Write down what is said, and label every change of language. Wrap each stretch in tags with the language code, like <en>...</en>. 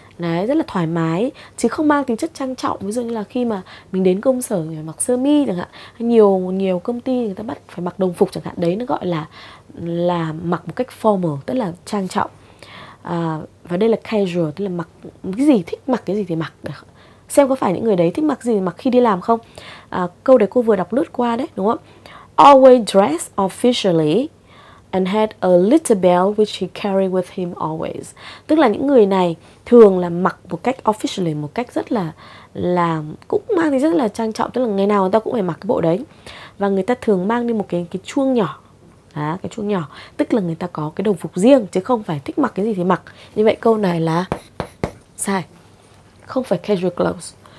<vi>Đấy, rất là thoải mái, chứ không mang tính chất trang trọng. Ví dụ như là khi mà mình đến công sở mình mặc sơ mi chẳng hạn, nhiều công ty người ta bắt phải mặc đồng phục chẳng hạn. Đấy nó gọi là mặc một cách formal, tức là trang trọng. Và đây là casual, tức là mặc cái gì, thích mặc cái gì thì mặc. Xem có phải những người đấy thích mặc gì thì mặc khi đi làm không. Câu đấy cô vừa đọc lướt qua đấy, đúng không?</vi> <en>Always dressed officially and had a little bell which he carried with him always.</en> <vi>Tức là những người này thường là mặc một cách officially, một cách rất là cũng mang thì rất là trang trọng, tức là ngày nào người ta cũng phải mặc cái bộ đấy. Và người ta thường mang đi một cái chuông nhỏ. Đó, cái chuông nhỏ, tức là người ta có cái đồng phục riêng, chứ không phải thích mặc cái gì thì mặc. Như vậy câu này là sai, không phải casual clothes.</vi>